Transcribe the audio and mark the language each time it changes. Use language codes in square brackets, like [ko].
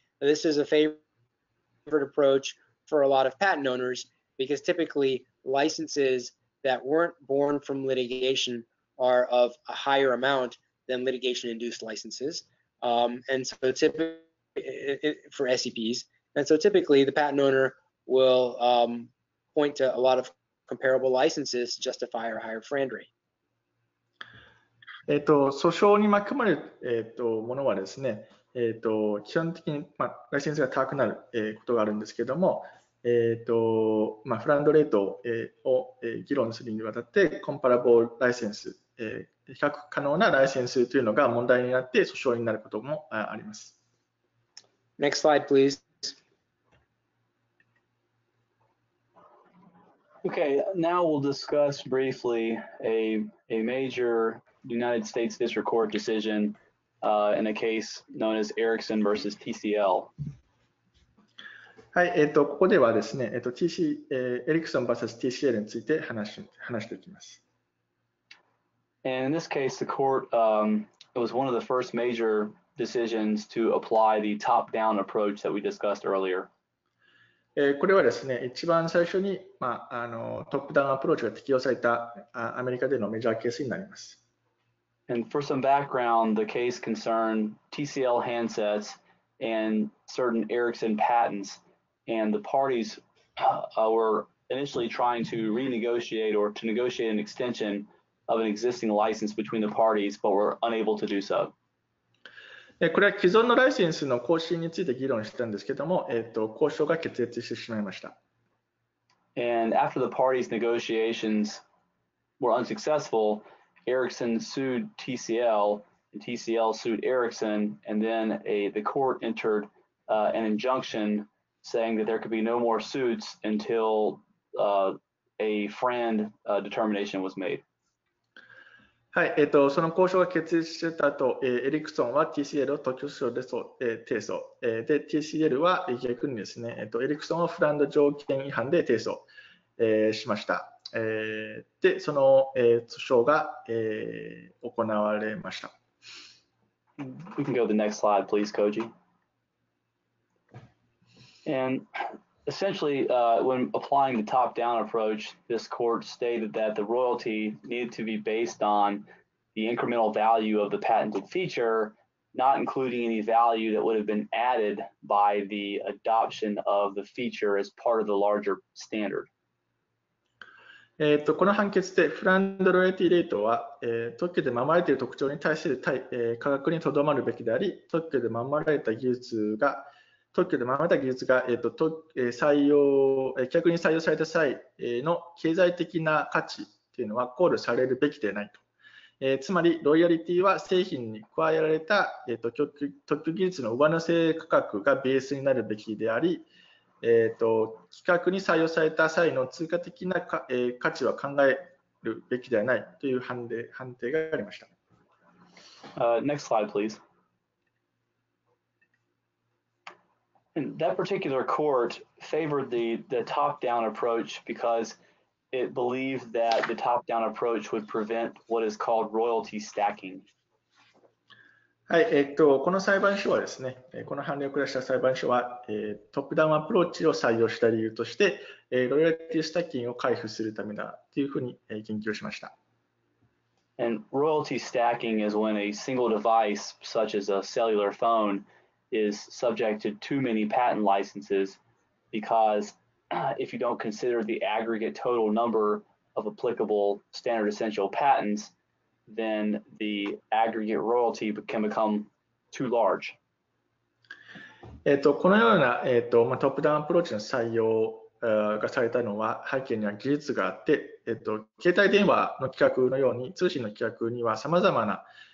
[en] This is a favorite approach for a lot of patent owners because typically licenses that weren't born from litigation are of a higher amount than litigation-induced licenses. And so typically, for SCPs. And so typically the patent owner will point to a lot of comparable licenses to justify a higher FRAND rate. [ja] 訴訟に巻き込まれる、ものはですね、基本的に、ライセンスが高くなる、ことがあるんですけども、フランドレートを、議論するにわたって、コンパラボルライセンス、比較可能なライセンスというのが問題になって訴訟になることもあります。 [en] Next slide, please. Okay, now we'll discuss briefly a majorUnited States District Court decision in a case known as Ericsson versus TCL. [ja] はい、ここではですね、エリクソン vs. TCL について話していきます。 [en] And in this case, the court, it was one of the first major decisions to apply the top-down approach that we discussed earlier. [ja] これはですね、一番最初に、トップダウンアプローチが適用されたアメリカでのメジャーケースになります。 [en] And for some background, the case concerned TCL handsets and certain Ericsson patents, and the parties were initially trying to renegotiate or to negotiate an extension of an existing license between the parties, but were unable to do so. [ja] これは既存のライセンスの更新について議論したんですけども、交渉が決裂してしまいました。 [en] And after the parties' negotiations were unsuccessful,Ericsson sued TCL, and TCL sued Ericsson, and then the court entered an injunction saying that there could be no more suits until a FRAND determination was made. [ja] はい、その交渉が決裂した後、エリクソンは TCL を特許訴訟で提訴。で、TCL は逆にですね、エリクソンをフランド条件違反で提訴、しました。で、その、訴訟が、行われました。 [en] We can go to the next slide, please, Koji. And essentially, when applying the top-down approach, this court stated that the royalty needed to be based on the incremental value of the patented feature, not including any value that would have been added by the adoption of the feature as part of the larger standard. [ja] この判決でフランドロイヤリティレートは、特許で守られている特徴に対する対、価格にとどまるべきであり、特許で守られた技術が、特許で守られた技術が、採用、客に採用された際の経済的な価値というのは考慮されるべきでないと、つまりロイヤリティは製品に加えられた、特許技術の上乗せ価格がベースになるべきであり、企画に採用された際の通貨的な価値は考えるべきではないという判定がありました。 [en] Next slide, please. And that particular court favored the top-down approach because it believed that the top-down approach would prevent what is called royalty stacking. [ja] はい、この裁判所はですね、この判例を下した裁判所は、トップダウンアプローチを採用した理由として、ロイヤリティスタッキングを回避するためだというふうに、研究しました。 [en] And royalty stacking is when a single device, such as a cellular phone, is subject to too many patent licenses, because if you don't consider the aggregate total number of applicable standard essential patents,then the aggregate royalty can become too large. [ja] このような、トップダウンアプローチの採用、がされたのは背景には技術があって、携帯電話の規格のように通信の規格にはさまざまな、